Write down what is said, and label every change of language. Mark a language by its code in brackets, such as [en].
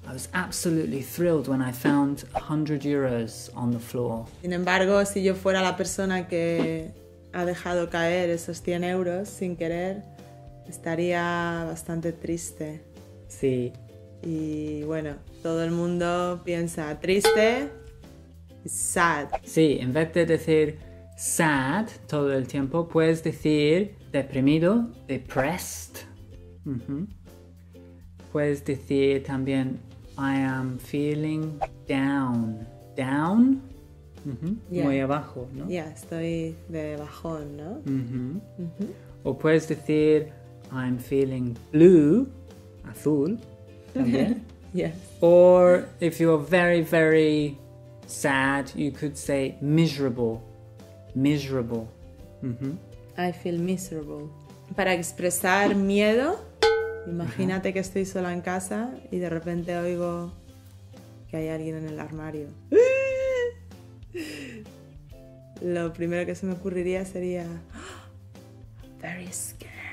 [en] I was absolutely thrilled when I found 100 euros on the floor. [es] Sin embargo, si yo fuera la persona que ha dejado caer esos 100 euros sin querer, estaría bastante triste. Sí. Y bueno, todo el mundo piensa triste, sad. Sí, en vez de decir sad todo el tiempo, puedes decir deprimido, depressed. Mm-hmm. Puedes decir también [en] I am feeling down. [es] Down? Mm-hmm. Yeah. Muy abajo, ¿no? Ya, yeah, estoy de bajón, ¿no? Mm-hmm. Mm-hmm. O puedes decir [en] I'm feeling blue, [es] azul, también. [en] Yes. Or if you're very, very sad, you could say miserable. Miserable. Mm-hmm. I feel miserable. [es] Para expresar miedo, imagínate que estoy sola en casa y de repente oigo que hay alguien en el armario. Lo primero que se me ocurriría sería [en] very scared.